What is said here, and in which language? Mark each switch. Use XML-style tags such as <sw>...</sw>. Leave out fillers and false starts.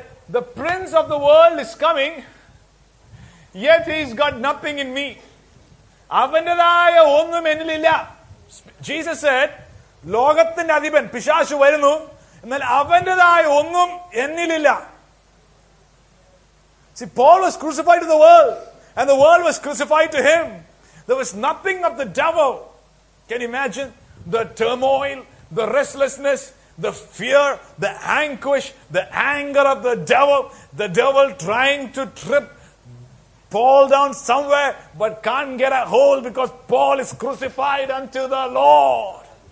<en>The prince of the world is coming, yet he's got nothing in me.</en> <ml>അവന്റേതായ ഒന്നും എന്നിലില്ല.</ml> <en>Jesus said,</en> <ml>ലോകത്തിന്റെ അധിപൻ പിശാശു വരുന്നു, എന്നാൽ അവന്റേതായ ഒന്നും എന്നിലില്ല.</ml> <en>See, Paul was crucified to the world, and the world was crucified to him. There was nothing of the devil. Can you imagine the turmoil, the restlessness, the fear, the anguish, the anger of the devil? The devil trying to trip Paul down somewhere, but can't get a hold because Paul is crucified unto the Lord.</en>